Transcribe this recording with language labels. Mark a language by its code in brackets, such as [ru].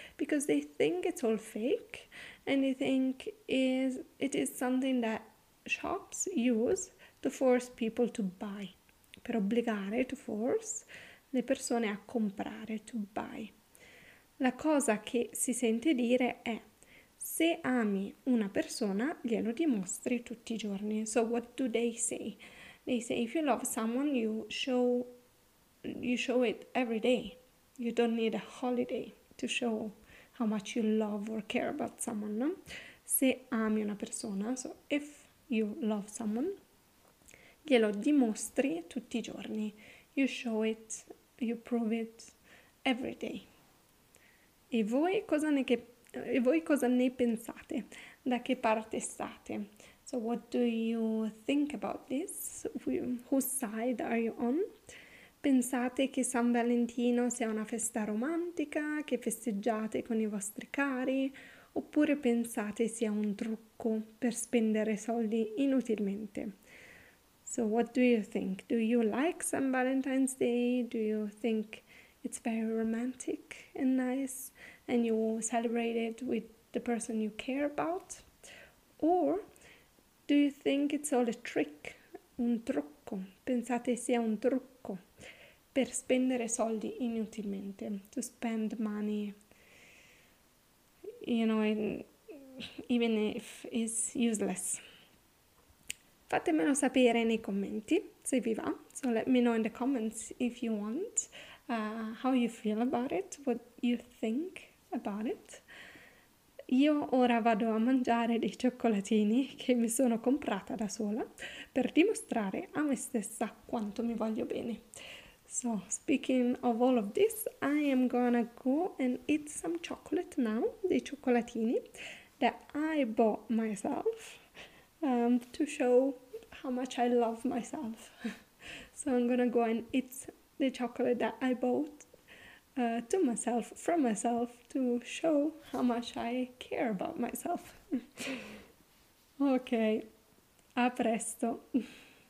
[en] Because they think it's all fake and they think it is something that shops use to force people to buy, [it] per obbligare, [en] to force [it] le persone a comprare, [en] to buy. [it] La cosa che si sente dire è: se ami una persona, glielo dimostri tutti i giorni. [en] So what do they say? They say if you love someone, you show it every day. You don't need a holiday to show how much you love or care about someone, no? [it] Se ami una persona, [en] so if you love someone, [it] glielo dimostri tutti i giorni. [en] You show it, you prove it every day. [it] E voi cosa ne pensate? Da che parte state? [en] So what do you think about this? Whose side are you on? [it] Pensate che San Valentino sia una festa romantica, che festeggiate con i vostri cari, oppure pensate sia un trucco per spendere soldi inutilmente? [en] So what do you think? Do you like San Valentine's Day? Do you think it's very romantic and nice and you celebrate it with the person you care about? Or do you think it's all a trick? [it] Un trucco? Pensate sia un trucco per spendere soldi inutilmente? [en] To spend money, you know, even if it's useless. [it] Fatemelo sapere nei commenti, se vi va. [en] So let me know in the comments if you want, how you feel about it, what you think about it. [it] Io ora vado a mangiare dei cioccolatini che mi sono comprata da sola per dimostrare a me stessa quanto mi voglio bene. [en] So, speaking of all of this, I am gonna go and eat some chocolate now, [it] dei cioccolatini [en] that I bought myself to show how much I love myself. So I'm gonna go and eat the chocolate that I bought to myself, from myself, to show how much I care about myself. Okay, [it] a presto.